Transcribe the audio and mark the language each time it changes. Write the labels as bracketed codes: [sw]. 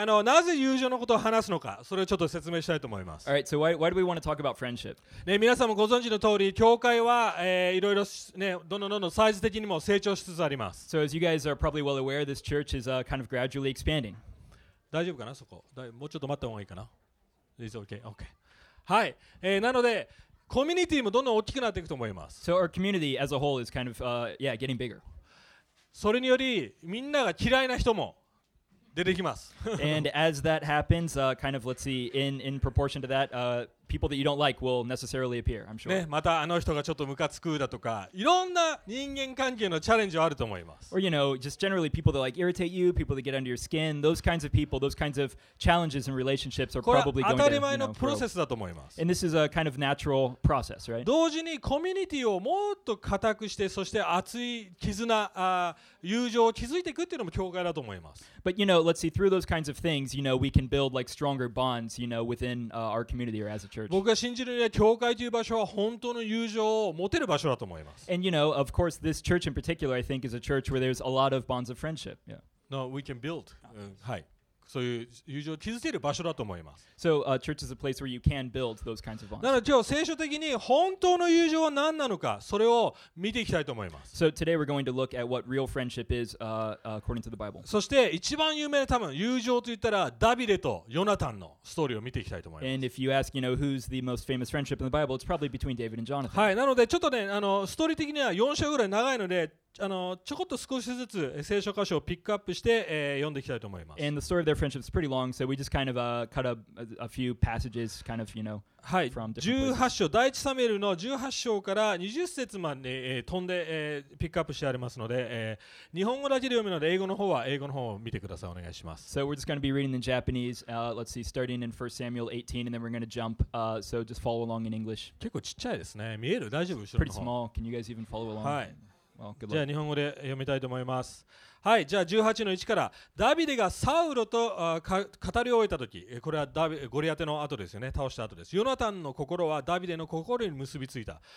[ja] なぜ友情のことを話すのか、それをちょっと説明したいと思います。 [en] All right, so why do we want to talk about friendship? [ja] ね、皆さんもご存知の通り、教会は、いろいろ、ね、どんどんサイズ的にも成長しつつあります。 [en] So as you guys are probably well aware, this church is kind of gradually expanding. [ja] 大丈夫かな、そこ。もうちょっと待った方がいいかな。 [en] It's okay, okay. [ja] はい、なので、コミュニティもどんどん大きくなっていくと思います。 [en] So our community as a whole is kind of, yeah, getting bigger. [ja] それにより、みんなが嫌いな人も、 [en] And as that happens, kind of, let's see, in proportion to that, people that you don't like will necessarily appear, I'm sure. [ja] ね、またあの人がちょっとムカつくだとか、いろんな人間関係のチャレンジはあると思います。 [en] Or, you know, just generally people that like irritate you, people that get under your skin, those kinds of people, those kinds of challenges in relationships are probably going to, [ja] これは当たり前のプロセスだと思います。 [en] And this is a kind of natural process, right? [ja] 同時にコミュニティをもっと固くして、そして熱い絆、友情を築いていくっていうのも教会だと思います。 [en] But, you know, let's see, through those kinds of things, you know, we can build, like, stronger bonds, you know, within our community or as a church. [ja] 僕が信じるには、教会という場所は本当の友情を持てる場所だと思います。 [en] And, you know, of course, this church in particular, I think, is a church where there's a lot of bonds of friendship. Yeah. No, we can build. [ja] はい。そういう友情を築ける場所だと思います。 [en] So, church is a place where you can build those kinds of bonds. [ja] なので、今日、聖書的に本当の友情は何なのか、それを見ていきたいと思います。 [en] So, today we're going to look at what real friendship is, according to the Bible. [ja] そして、一番有名な多分、友情といったら、ダビデとヨナタンのストーリーを見ていきたいと思います。 [en] And if you ask, you know, who's the most famous friendship in the Bible, it's probably between David and Jonathan. [ja] はい、なので、ちょっとね、ストーリー的には4章ぐらい長いので、ちょこっと少しずつ聖書箇所をピックアップして、読んでいきたいと思います。 [en] And the story of their friendship is pretty long, so we just kind of cut up a few passages, kind of, you know, [ja] はい、 [en] from different places. [ja] 18章、第一サムエルの18章から20節まで、飛んで、ピックアップしてありますので、日本語だけで読むので、英語の方を見てください。お願いします。 [en] So we're just going to be reading in Japanese. Let's see, starting in 1 Samuel 18, and then we're going to jump. So just follow along in English. [ja] 結構ちっちゃいですね。見える？大丈夫？後ろの方。 [en] Pretty small. Can you guys even follow along? [ja] はい。じゃあ日本語で読みたいと思います。はい、じゃあ18の1から、ダビデがサウロと語り終えたとき、これはゴリアテの後ですよね、倒した後です。ヨナタンの心はダビデの心に結びついた。